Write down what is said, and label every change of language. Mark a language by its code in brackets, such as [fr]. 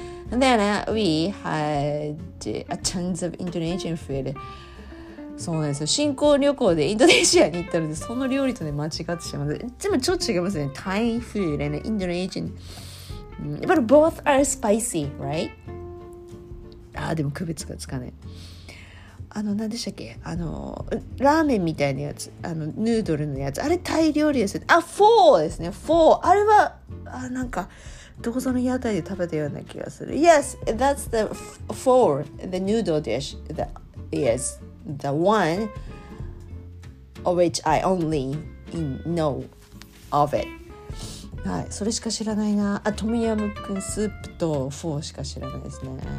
[en] And then we had a tons of Indonesian food. [ja] そうなんですよ。新婚旅行でインドネシアに行ったので、その料理とね、間違ってしまう。でもちょっと違いますね。 [en] タイ food and Indonesian. But both are spicy, right? [ja] あ、でも区別がつかない。あの、何でしたっけ？あの、ラーメンみたいなやつ。あの、ヌードルのやつ。あれ、タイ料理ですよ。あ、フォーですね。フォー。あれは、あ、なんか、どこぞの屋台で食べたような気がする。 [en] Yes, that's the four, the noodle dish. The, yes, the one of which I only know of it. [ja] はい、それしか知らないな。あ、トムヤムクンスープとフォーしか知らないですね。